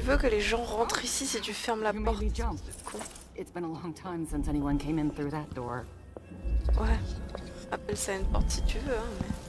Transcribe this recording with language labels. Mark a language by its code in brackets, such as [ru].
[fr] Les gens rentrent ici si tu fermes la porte. [en] It's been a long time since anyone came in through that door. [fr] Ouais. Appelle ça une porte si tu veux, hein, mais...